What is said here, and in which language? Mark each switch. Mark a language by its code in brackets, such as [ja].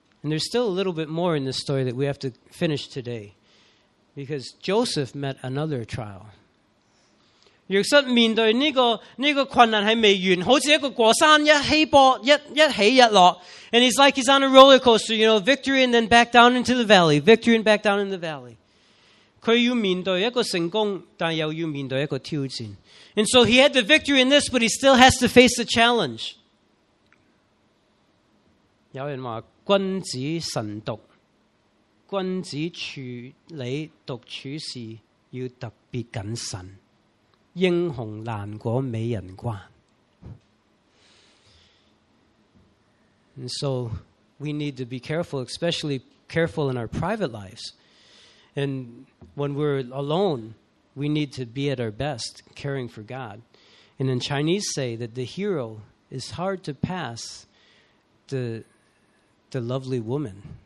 [en] And there's still a little bit more in this story that we have to finish today, because Joseph met another trial. [zh] 约瑟面对这个困难系未完，好似一个过山，一起波，一起一落。 [en] And he's like he's on a roller coaster, you know, victory and then back down into the valley, victory and back down in the valley. [zh] 他要面对一个成功，但又要面对一个挑战。 [en] And so he had the victory in this, but he still has to face the challenge. [zh] 有人说，君子慎独，君子处理独处事要特别谨慎，英雄难过美人关。 [en] And so we need to be careful, especially careful in our private lives. And when we're alone, we need to be at our best, caring for God. And in Chinese say that the hero is hard to pass the lovely woman.